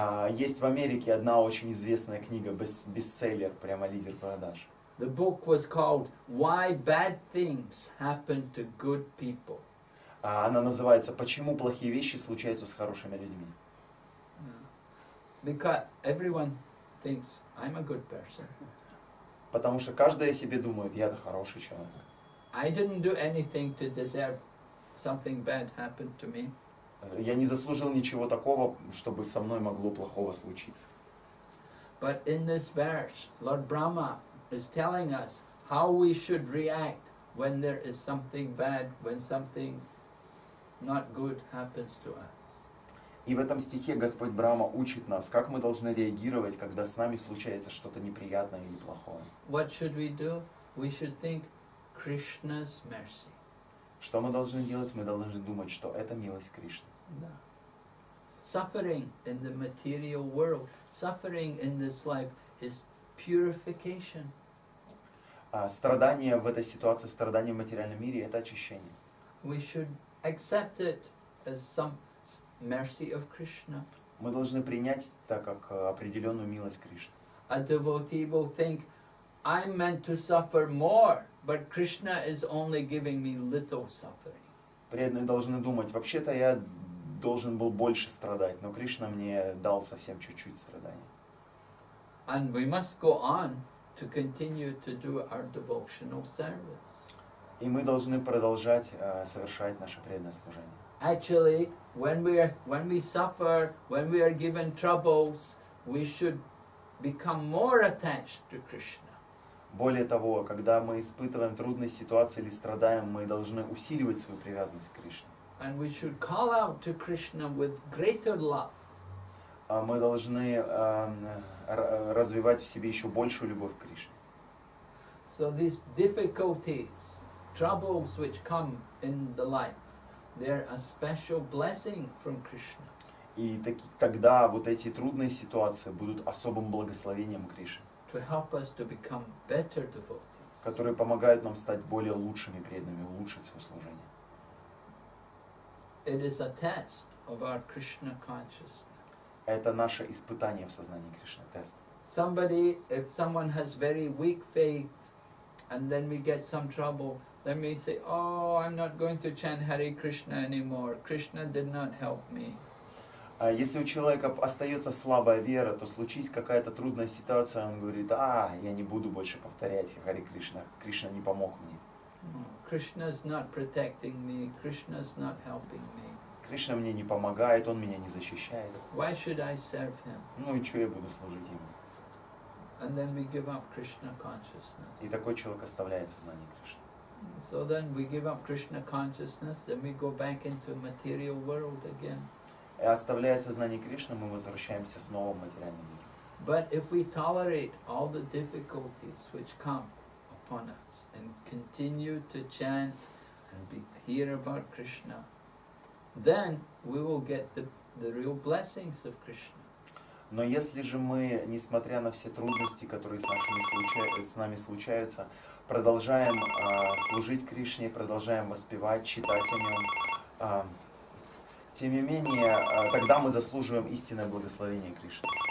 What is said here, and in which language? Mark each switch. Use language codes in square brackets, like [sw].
[ru] Есть в Америке одна очень известная книга, бестселлер, прямо лидер продаж. [en] The book was called Why Bad Things Happen to Good People. [ru] Она называется «Почему плохие вещи случаются с хорошими людьми». [en] Because everyone thinks I'm a good person. [ru] Потому что каждый о себе думает, я-то хороший человек. [en] I didn't do anything to deserve something bad happened to me. [ru] Я не заслужил ничего такого, чтобы со мной могло плохого случиться. [en] But in this verse, Lord Brahma is telling us how we should react when there is something bad, when something not good happens to us. [ru] И в этом стихе Господь Брама учит нас, как мы должны реагировать, когда с нами случается что-то неприятное или плохое. [en] What should we do? We should think Krishna's mercy. [ru] Что мы должны делать? Мы должны думать, что это милость Кришны. Да. [en] Suffering in the material world, suffering in this life is purification. [ru] Страдание в этой ситуации, страдание в материальном мире — это очищение. [en] We should accept it as some mercy of Krishna. [ru] Мы должны принять это как определенную милость Кришны. [en] A devotee will think, I'm meant to suffer more But Krishna is only giving me little suffering. [ru] Преданные должны думать, вообще-то я должен был больше страдать, но Кришна мне дал совсем чуть-чуть страданий. [en] And we must go on to continue to do our devotional service. [ru] И мы должны продолжать совершать наше преданное служение. [en] Actually, when we suffer, when we are given troubles, we should become more attached to Krishna. [ru] Более того, когда мы испытываем трудные ситуации или страдаем, мы должны усиливать свою привязанность к Кришне. [en] And we should call out to Krishna with greater love. [ru] А мы должны развивать в себе еще большую любовь к Кришне. [en] So these difficulties, troubles which come in the life, they're a special blessing from Krishna. [ru] И тогда вот эти трудные ситуации будут особым благословением Кришны. [en] To help us to become better devotees. [ru] Которые помогают нам стать более лучшими преданными, улучшить свое служение. [en] It is a test of our Krishna consciousness. [ru] Это наше испытание в сознании Кришны, тест. [en] Somebody, if someone has very weak faith, and then we get some trouble, then we say, oh, I'm not going to chant Hare Krishna anymore. Krishna did not help me. [ru] Если у человека остается слабая вера, то случись какая-то трудная ситуация, он говорит, я не буду больше повторять Hare Krishna. Кришна не помог мне. [en] Krishna's not protecting me. Krishna's not helping me. [ru] Кришна мне не помогает, он меня не защищает. [en] Why should I serve him? [ru] Ну и что я буду служить ему? [en] And then we give up Krishna consciousness. [ru] И такой человек оставляет сознание Кришны. [en] So then we give up Krishna consciousness and we go back into material world again. [ru] И оставляя сознание Кришны, мы возвращаемся снова в материальный мир. [en] But if we tolerate all the difficulties which come upon us and continue to chant and hear about Krishna, then we will get the real blessings of Krishna. [ru] Но если же мы, несмотря на все трудности, которые с нами случаются, продолжаем служить Кришне, продолжаем воспевать, читать о нем, тем не менее, тогда мы заслуживаем истинное благословение Кришны.